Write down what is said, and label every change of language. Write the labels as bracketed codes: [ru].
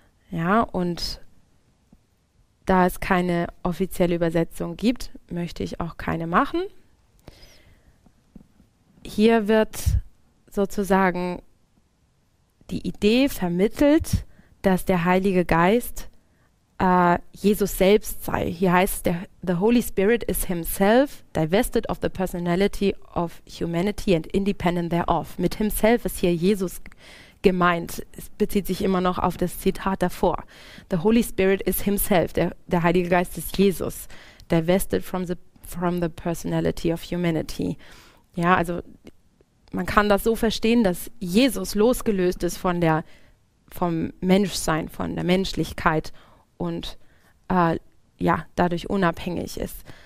[de] Ja, und da es keine offizielle Übersetzung gibt, möchte ich auch keine machen. Hier wird sozusagen die Idee vermittelt, dass der Heilige Geist Jesus selbst sei. Hier heißt es, [en] the Holy Spirit is himself divested of the personality of humanity and independent thereof. [de] Mit himself ist hier Jesus gemeint. Es bezieht sich immer noch auf das Zitat davor. [en] The Holy Spirit is himself. [de] Der Heilige Geist ist Jesus. [en] Divested from the personality of humanity. [de] Ja, also man kann das so verstehen, dass Jesus losgelöst ist vom Menschsein, von der Menschlichkeit und dadurch unabhängig ist.